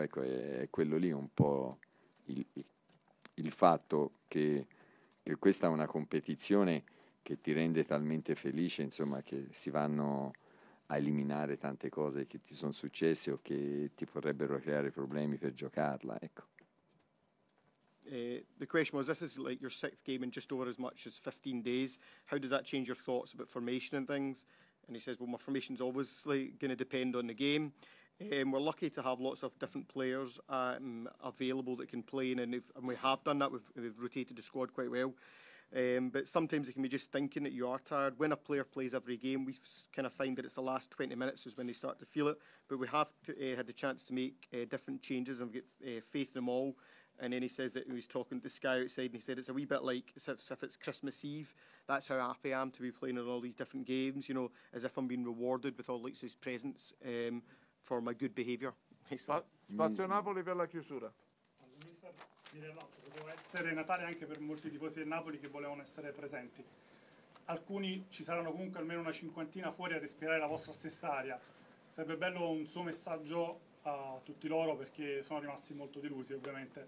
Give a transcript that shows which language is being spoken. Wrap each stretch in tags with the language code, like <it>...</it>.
<it>Ecco, è quello lì un po' il fatto che questa è una competizione che ti rende talmente felice, insomma, che si vanno a eliminare tante cose che ti sono successe o che ti potrebbero creare problemi per giocarla, ecco.</it> <en>The question was, this is like your sixth game in just over as much as 15 days. How does that change your thoughts about formation and things? And he says, well, my formation is obviously going to depend on the game. We're lucky to have lots of different players available that can play, and we have done that. We've rotated the squad quite well. But sometimes it can be just thinking that you are tired. When a player plays every game, we kind of find that it's the last 20 minutes is when they start to feel it. But we have had the chance to make different changes and get faith in them all. And then he says that he was talking to Sky outside, and he said it's a wee bit like as if it's Christmas Eve. That's how happy I am to be playing in all these different games, you know, as if I'm being rewarded with all these presents for my good behaviour.</en> <it>Spazio Napoli per la chiusura. Doveva essere Natale anche per molti tifosi del Napoli che volevano essere presenti. Alcuni ci saranno comunque almeno una cinquantina fuori a respirare la vostra stessa aria. Sarebbe bello un suo messaggio a tutti loro, perché sono rimasti molto delusi, ovviamente.</it>